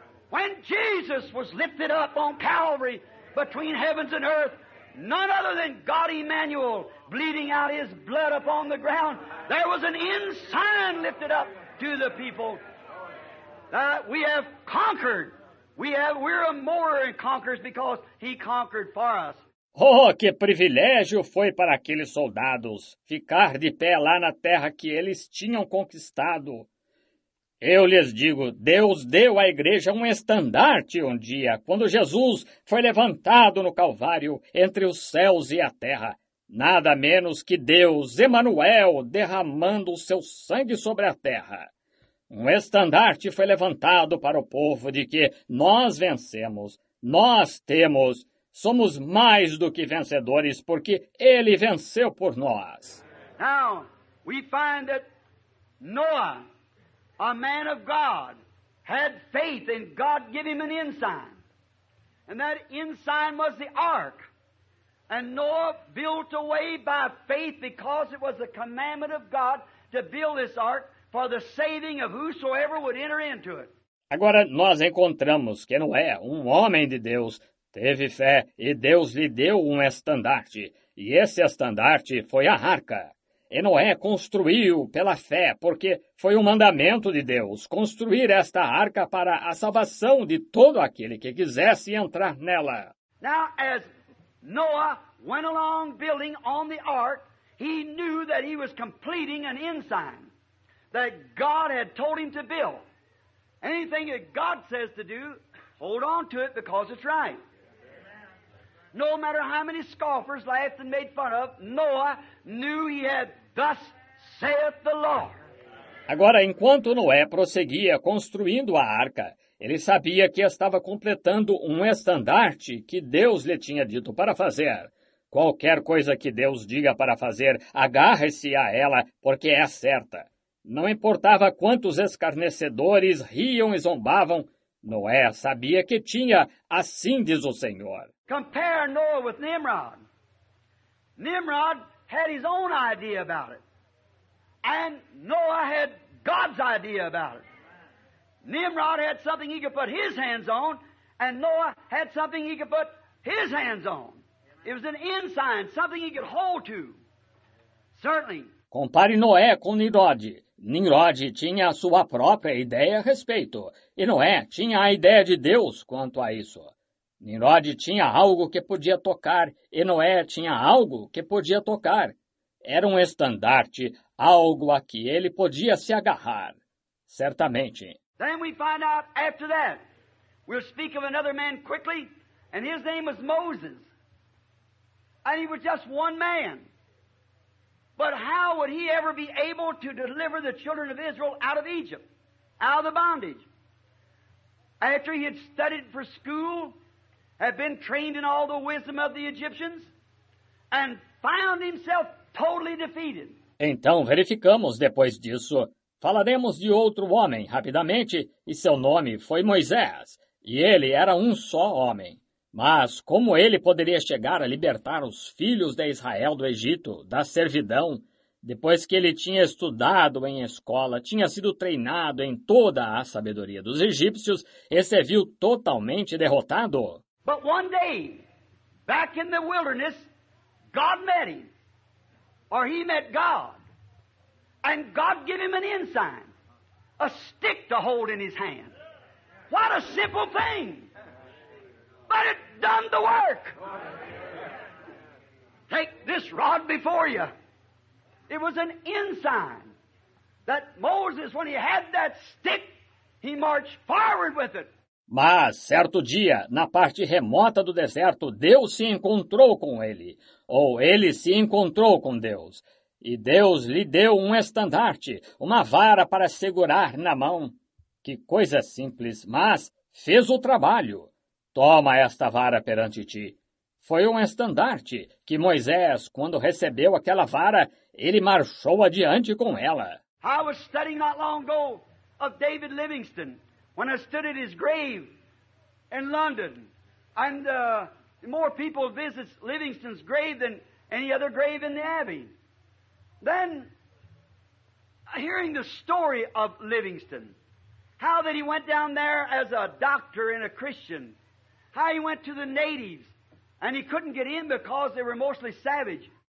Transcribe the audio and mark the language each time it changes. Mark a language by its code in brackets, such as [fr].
[en] When Jesus was lifted up on Calvary between heavens and earth, none other than God Emmanuel bleeding out his blood upon the ground, there was an ensign lifted up to the people that we have conquered. We're more than conquerors because he conquered for us. [pt] Oh, que privilégio foi para aqueles soldados ficar de pé lá na terra que eles tinham conquistado. Eu lhes digo, Deus deu à igreja um estandarte um dia, quando Jesus foi levantado no Calvário entre os céus e a terra. Nada menos que Deus, Emmanuel, derramando o seu sangue sobre a terra. Um estandarte foi levantado para o povo de que nós vencemos, nós temos, somos mais do que vencedores, porque Ele venceu por nós. [en] Now, we find that Noah, a man of God, had faith in God give him an ensign. And that ensign was the ark. And Noah built away by faith because it was the commandment of God to build this ark for the saving of whosoever would enter into it. [pt] Agora nós encontramos que Noé, um homem de Deus, teve fé e Deus lhe deu um estandarte. E esse estandarte foi a arca. E Noé construiu pela fé, porque foi um mandamento de Deus construir esta arca para a salvação de todo aquele que quisesse entrar nela. [en] Now, as Noah went along building on the ark, he knew that he was completing an ensign that God had told him to build. Anything that God says to do, hold on to it because it's right. No matter how many scoffers laughed and made fun of, Noah knew he had, thus saith the Lord. [pt] Agora, enquanto Noé prosseguia construindo a arca, ele sabia que estava completando um estandarte que Deus lhe tinha dito para fazer. Qualquer coisa que Deus diga para fazer, agarre-se a ela, porque é certa. Não importava quantos escarnecedores riam e zombavam, Noé sabia que tinha, assim diz o Senhor. [en] Compare Noah with Nimrod. Nimrod had his own idea about it. And Noah had God's idea about it. Nimrod had something he could put his hands on, and Noah had something he could put his hands on. It was an ensign, something he could hold to. Certainly. [pt] Compare Noé com Nimrod. Nimrod tinha a sua própria ideia a respeito, e Noé tinha a ideia de Deus quanto a isso. Nimrod tinha algo que podia tocar, e Noé tinha algo que podia tocar. Era um estandarte, algo a que ele podia se agarrar, certamente. [en] Then we find out after that, we'll speak of another man quickly, and his name was Moses. And he was just one man. But how would he ever be able to deliver the children of Israel out of Egypt, out of the bondage? After he had studied for school, had been trained in all the wisdom of the Egyptians, and found himself totally defeated. [pt] Então verificamos depois disso. Falaremos de outro homem rapidamente, e seu nome foi Moisés, e ele era um só homem. Mas como ele poderia chegar a libertar os filhos de Israel do Egito, da servidão, depois que ele tinha estudado em escola, tinha sido treinado em toda a sabedoria dos egípcios e se viu totalmente derrotado? [en] But one day, back in the wilderness, God met him, or he met God, and God gave him an ensign, a stick to hold in his hand. What a simple thing! But it done the work. Take this rod before you. It was an ensign that Moses, when he had that stick, he marched forward with it. [pt] Mas, certo dia, na parte remota do deserto, Deus se encontrou com ele, ou ele se encontrou com Deus. E Deus lhe deu um estandarte, uma vara para segurar na mão. Que coisa simples, mas fez o trabalho. Toma esta vara perante ti. Foi um estandarte que Moisés, quando recebeu aquela vara, ele marchou adiante com ela. [en] I was studying not long ago of David Livingstone, when I stood at his grave in London. And more people visit Livingstone's grave than any other grave in the Abbey. Then, hearing the story of Livingstone, how that he went down there as a doctor and a Christian, how he went to the natives, and he couldn't get in because they were mostly savage.